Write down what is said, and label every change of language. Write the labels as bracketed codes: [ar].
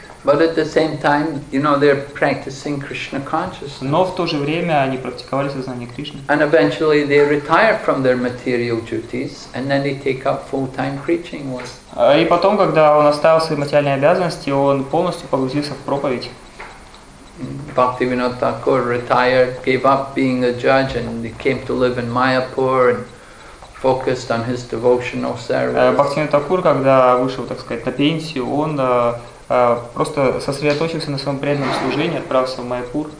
[en] But at the same time, you know, they're practicing Krishna consciousness. [ru] Но в то же время они практиковали сознание Кришны. [en] And eventually they retire from their material duties, and then they take up full-time preaching work. [ru] И потом, когда он оставил свои материальные обязанности, он полностью погрузился в проповедь. [en] Bhaktivinoda Thakur retired, gave up being a judge, and he came to live in Mayapur and focused on his devotional service. [ru] Бхактивинода Такур, когда вышел, так сказать, на пенсию, он просто сосредоточился на своем преданном служении, отправился в Майяпур.